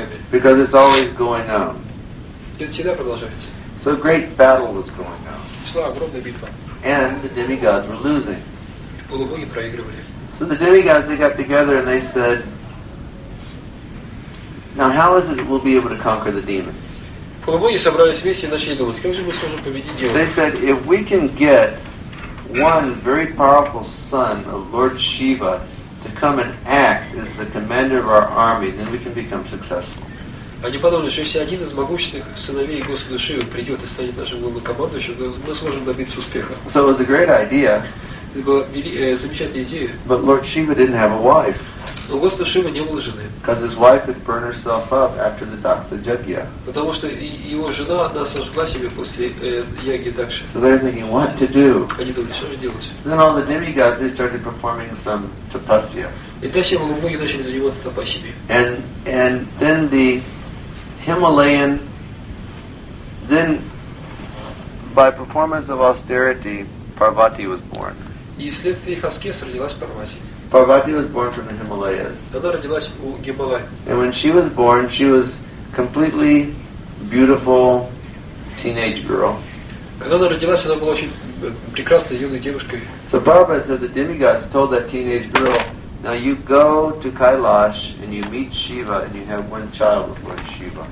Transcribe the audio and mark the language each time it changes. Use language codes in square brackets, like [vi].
[en] Because it's always going on. So a great battle was going on. And the demigods were losing. So the demigods, they got together and they said, "Now how is it we'll be able to conquer the demons?" [ru] Полубоги собрались вместе и начали думать, как же мы сможем победить демонов. [en] They said, if we can get one very powerful son of Lord Shiva to come and act as the commander of our army, then we can become successful. [ru] Они подумали, что если один из могущественных сыновей Господа Шивы придет и станет нашим главнокомандующим, то мы сможем добиться успеха. [en] So it was a great idea. [ru] Это была замечательная идея. [en] But Lord Shiva didn't have a wife. [ru] Но Господа Шивы не уложены. [en] Because his wife had burned herself up after the Daksha Yagya. [ru] Потому что его жена одна сожгла себе после Яги Дакши. [en] So they're thinking, what to do? [ru] Они думали, что же делать? [en] So then all the demigods, they started performing some tapasya. [ru] И дальше многие начали заниматься тапасями. [en] And then the Himalayan, then by performance of austerity, Parvati was born. [ru] И вследствие их аскез родилась Парвати. [en] Parvati was born from the Himalayas. [ru] Тогда родилась у Гималай. [en] And when she was born, she was completely beautiful teenage girl. [ru] Когда она родилась, она была очень прекрасной юной девушкой. [en] So Prabhupada said the demigods told that teenage girl, now you go to Kailash and you meet Shiva and you have one child with Lord Shiva.